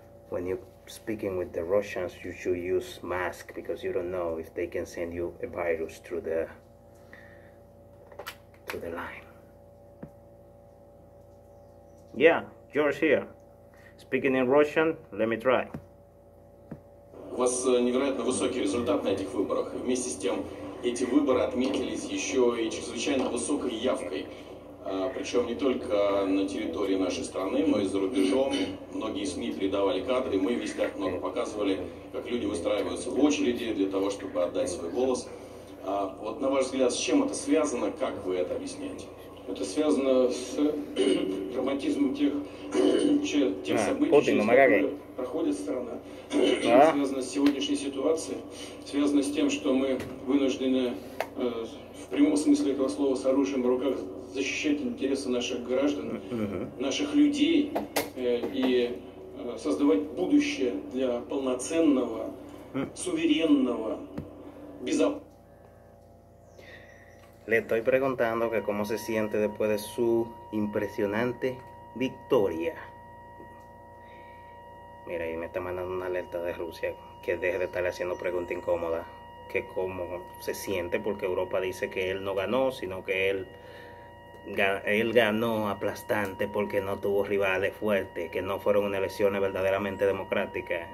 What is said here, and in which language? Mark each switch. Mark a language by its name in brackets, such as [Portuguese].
[English] When you speaking with the Russians, you should use mask because you don't know if they can send you a virus through the line. Yeah, George here. Speaking in Russian, let me try. [Russian] У вас невероятно высокий результат на этих выборах. И вместе с тем, эти выборы отметились еще и чрезвычайно высокой явкой. Причем не только на территории нашей страны, но и за рубежом. Многие СМИ передавали кадры, мы весь так много показывали, как люди выстраиваются в очереди для того, чтобы отдать свой голос. Вот на ваш взгляд, с чем это связано, как вы это объясняете? Это связано с драматизмом тех событий, Путин, через которые проходит страна. А? Связано с сегодняшней ситуацией, связано с тем, что мы вынуждены в прямом смысле этого слова с оружием в руках защищать интересы наших граждан, наших людей и создавать будущее для полноценного, суверенного, безопасного. [Spanish] Le estoy preguntando que cómo se siente después de su impresionante victoria. Mira, ahí me está mandando una alerta de Rusia que deje de estarle haciendo preguntas incómodas. Que cómo se siente porque Europa dice que él no ganó, sino que él ganó aplastante porque no tuvo rivales fuertes, que no fueron unas elecciones verdaderamente democráticas.